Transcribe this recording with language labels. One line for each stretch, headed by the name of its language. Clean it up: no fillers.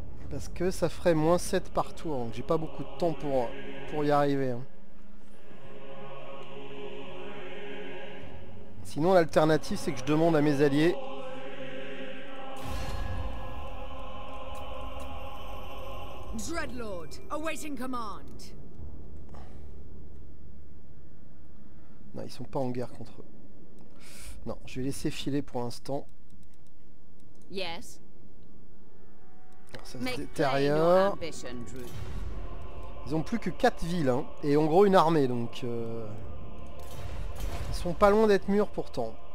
French: Parce que ça ferait moins 7 par tour, donc j'ai pas beaucoup de temps pour y arriver. Hein. Sinon l'alternative c'est que je demande à mes alliés.
English: Dreadlord, awaiting command.
French: Non, ils sont pas en guerre contre eux. Non, je vais laisser filer pour l'instant.
English: Yes.
French: Ça se détériore. Ils ont plus que 4 villes hein, et en gros une armée donc ils sont pas loin d'être mûrs pourtant.